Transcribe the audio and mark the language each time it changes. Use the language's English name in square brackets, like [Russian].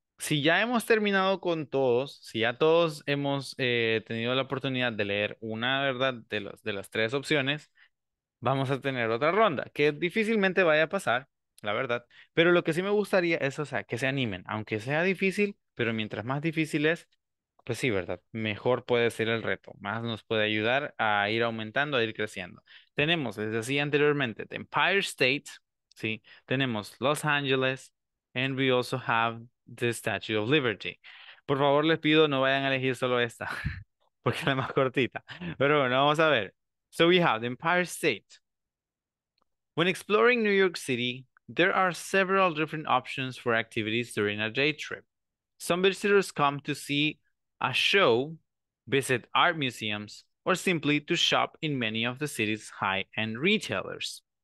[Spanish] Si ya hemos terminado con todos, si ya todos hemos tenido la oportunidad de leer una, ¿verdad?, de las tres opciones, vamos a tener otra ronda, que difícilmente vaya a pasar, la verdad. Pero lo que sí me gustaría es, o sea, que se animen, aunque sea difícil, pero mientras más difícil es, pues sí, ¿verdad?, mejor puede ser el reto, más nos puede ayudar a ir aumentando, a ir creciendo. Tenemos, les decía anteriormente, The Empire State, ¿sí? [English] Tenemos Los Angeles, and we also have The Statue of Liberty. [Spanish] Por favor, les pido, no vayan a elegir solo esta, porque es la más cortita. Pero bueno, vamos a ver. [English] So we have the Empire State. When exploring New York City, there are several different options for activities during a day trip. Some visitors come to see a show, visit art museums, or simply to shop in many of the city's high-end retailers.